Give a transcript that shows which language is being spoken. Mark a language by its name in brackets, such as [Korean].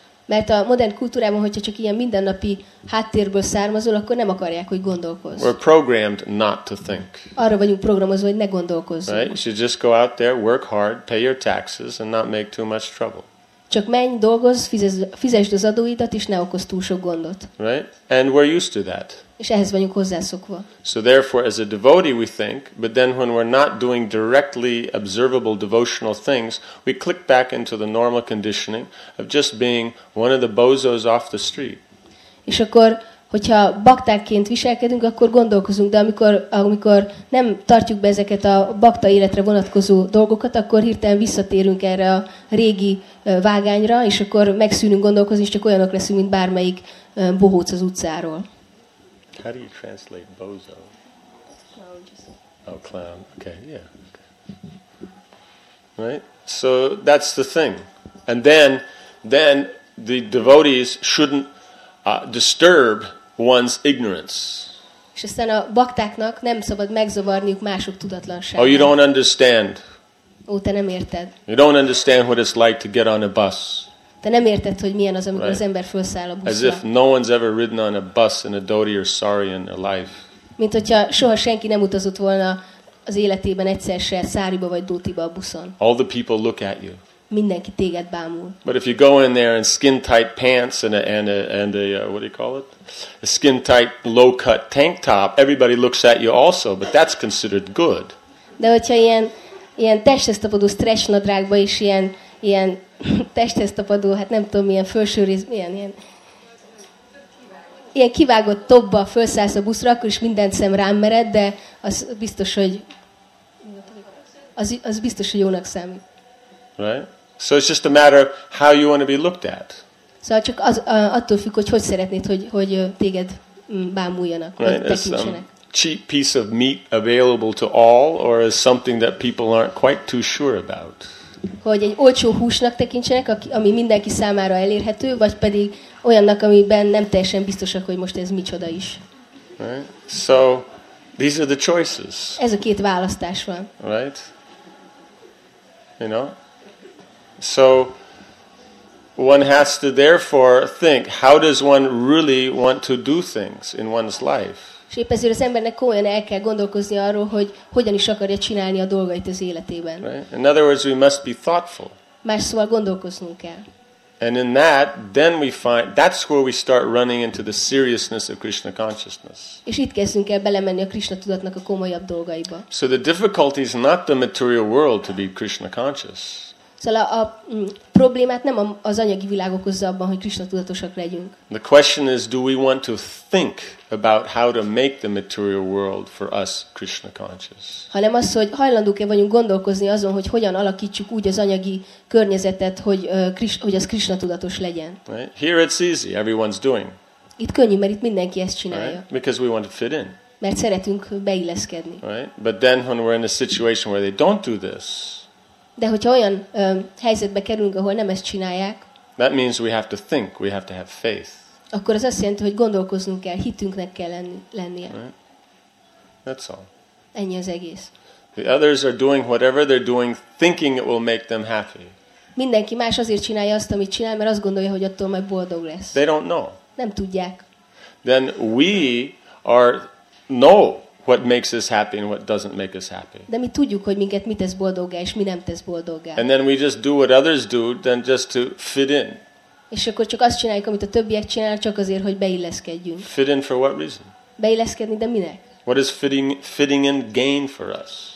[Hungarian] Mert a modern kultúrában, hogyha csak ilyen mindennapi háttérből származol, akkor nem akarják, hogy gondolkozz. [English] We're programmed not to think. [Hungarian] Arra vagyunk programozva, hogy ne gondolkozzunk. [English] Right? You should just go out there, work hard, pay your taxes, and not make too much trouble. [Hungarian] Csak menj, dolgozz, fizesd az adóidat, és ne okozz túl sok gondot. [English] Right? And we're used to that. [Hungarian] És ehhez vagyunk hozzászokva. [English] So therefore, as a devotee, we think, but then when we're not doing directly observable devotional things, we click back into the normal conditioning of just being one of the bozos off the street. [Hungarian] És akkor, hogyha baktákként viselkedünk, akkor gondolkozunk, de amikor nem tartjuk be ezeket a bakta életre vonatkozó dolgokat, akkor hirtelen visszatérünk erre a régi vágányra, és akkor megszűnünk gondolkozni, és csak olyanok leszünk, mint bármelyik bohóc az utcáról. [English] How do you translate bozo? Clown. Oh, clown. Okay, yeah. Okay. Right? So that's the thing. And then the devotees shouldn't disturb one's ignorance. [Hungarian] És aztán a baktáknak nem szabad megzavarniuk mások tudatlanságát. [English] Oh, you don't understand. [Hungarian] Ó, te nem érted. [English] You don't understand what it's like to get on a bus. [Hungarian] Te nem érted, hogy milyen az, amikor [English] right. [Hungarian] Az ember felszáll a buszra. [English] As if no one's ever ridden on a bus in a dhoti or sari in their life. [Hungarian] Mint hogyha soha senki nem utazott volna az életében egyszer se száriba vagy dhotiba a buszon. [English] All the people look at you. [Hungarian] Mindenki téged bámul. [English] But if you go in there in skin tight pants and a what do you call it? A skin tight low cut tank top, everybody looks at you also, but that's considered good. [Hungarian] De hogyha ilyen testhez tapadó stretch nadrágba is ilyen testhez tapadó, hát nem tudom, milyen felső rész, ilyen kivágott topba felszállsz a buszra, akkor is minden szem rám mered, de az biztos, hogy az biztos, hogy jónak számít. [English] Right? So it's just a matter of how you want to be looked at. [Hungarian] Szóval csak az, attól függ, hogy szeretnéd, hogy téged bámuljanak, vagy [English] right? [Hungarian] Tekintsenek. [English] Cheap piece of meat available to all, or is something that people aren't quite too sure about. [Hungarian] Hogy egy olcsó húsnak tekintsenek, ami mindenki számára elérhető, vagy pedig olyannak, amiben nem teljesen biztosak, hogy most ez micsoda is. [English] Right? So these are the choices. [Hungarian] Ez a két választás van. [English] Right? You know? So one has to therefore think, how does one really want to do things in one's life? [Hungarian] És épp ezért az embernek komolyan el kell gondolkozni arról, hogy hogyan is akarja csinálni a dolgait az életében. [English] Right? In other words, we must be thoughtful. [Hungarian] Más szóval gondolkoznunk kell. [English] And in that, then we find, that's where we start running into the seriousness of Krishna consciousness. [Hungarian] És itt kezdünk el belemenni a Krishna tudatnak a komolyabb dolgaiba. [English] So the difficulty is not the material world to be Krishna conscious. [Hungarian] Szóval a problémát nem az anyagi világ okozza abban, hogy Krishna tudatosak legyünk. [English] The question is, do we want to think about how to make the material world for us Krishna conscious? [Hungarian] Hanem az, hogy hajlandók-e vagyunk gondolkozni azon, hogy hogyan alakítsuk úgy az anyagi környezetet, hogy az Krishna tudatos legyen. [English] Right? Here it's easy, everyone's doing. [Hungarian] Itt könnyű, mert itt mindenki ezt csinálja. [English] Right? Because we want to fit in. [Hungarian] Mert szeretünk beilleszkedni. [English] Right? But then when we're in a situation where they don't do this, [Hungarian] de hogyha olyan helyzetbe kerülünk, ahol nem ezt csinálják, [English] that means we have to think, we have to have faith. [Hungarian] Akkor az azt jelenti, hogy gondolkoznunk kell, hitünknek kell lennie. [English] Right. That's all. [Hungarian] Ennyi az egész. [English] The others are doing whatever they're doing, thinking it will make them happy. [Hungarian] Mindenki más azért csinálja azt, amit csinál, mert azt gondolja, hogy attól majd boldog lesz. [English] They don't know. [Hungarian] Nem tudják. [English] Then we are know what makes us happy and what doesn't make us happy. [Hungarian] De mi tudjuk, hogy minket mit tesz boldoggá, és mi nem tesz boldoggá. [English] And then we just do what others do, then just to fit in. [Hungarian] És akkor csak azt csináljuk, amit a többiek csinálnak, csak azért, hogy beilleszkedjünk. [English] Fit in for what reason? [Hungarian] Beilleszkedni, de minek? [English] What is fitting in gain for us?